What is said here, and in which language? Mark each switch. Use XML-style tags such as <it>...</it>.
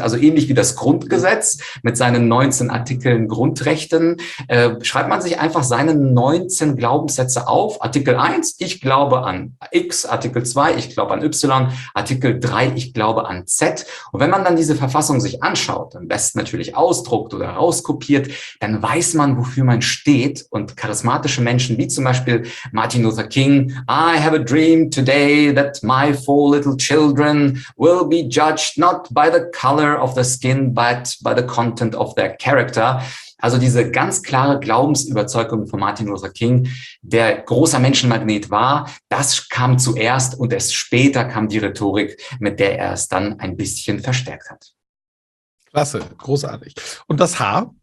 <de>Also ähnlich wie das Grundgesetz mit seinen 19 Artikeln Grundrechten, schreibt man sich einfach seine 19 Glaubenssätze auf. Artikel 1, ich glaube an X. Artikel 2, ich glaube an Y. Artikel 3, ich glaube an Z. Und wenn man dann diese Verfassung sich anschaut, am besten natürlich ausdruckt oder rauskopiert, dann weiß man, wofür man steht. Und charismatische Menschen wie zum Beispiel</de> <en>Martin Luther King, I have a dream today that my four little children will be judged not by the color of the skin, but by the content of their character.</en> <de>Also diese ganz klare Glaubensüberzeugung von Martin Luther King, der großer Menschenmagnet war, das kam zuerst und erst später kam die Rhetorik, mit der er es dann ein bisschen verstärkt hat. Klasse, großartig. Und das H?</de>